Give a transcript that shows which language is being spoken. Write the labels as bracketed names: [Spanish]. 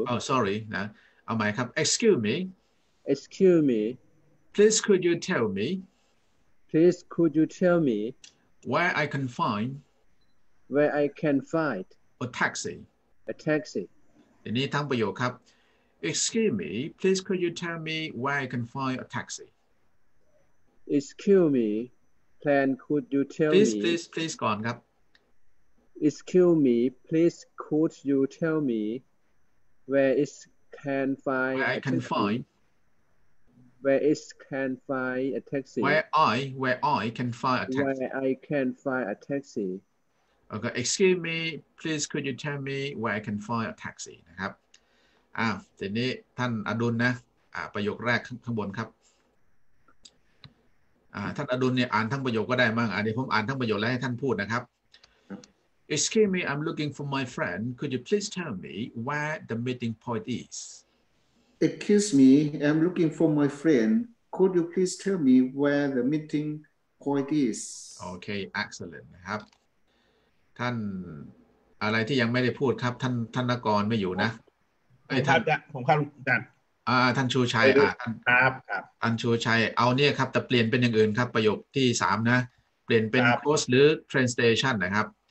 [English] Oh, sorry. [Thai] นะเอาใหม่ครับ [English] Excuse me. Excuse me. Please could you tell me? Please could you tell me? Where I can find? Where I can find? A taxi. A taxi. [Thai] ทีนี้ทั้งประโยคครับ [English] Excuse me. Please could you tell me where I can find a taxi? Excuse me. Plan could you tell please, me? Please go on ครับ Excuse me, please could you tell me where is can find where I can find where is can find a taxi where I can find a taxi where I can find a taxi okay excuse me please could you tell me where I can find a taxi [Thai] นะครับทีนี้ท่านอดุลนะประโยคแรกข้างบนครับท่านอดุลเนี่ยอ่านทั้งประโยคก็ได้มั้งอันนี้ผมอ่านทั้งประโยคแล้วให้ท่านพูดนะครับ [English] Excuse me, I'm looking for my friend. Could you please tell me where the meeting point is? Excuse me, I'm looking for my friend. Could you please tell me where the meeting point is? Okay, excellent. [Thai] ครับท่านอะไรที่ยังไม่ได้พูดครับท่านนกรไม่อยู่นะ ไอ้ท่านผมครับท่าน ท่านชูชัย ครับครับ ท่านชูชัยเอาเนี่ยครับแต่เปลี่ยนเป็นอย่างอื่นครับประโยคที่3นะเปลี่ยนเป็นโค้ชหรือ train station นะครับ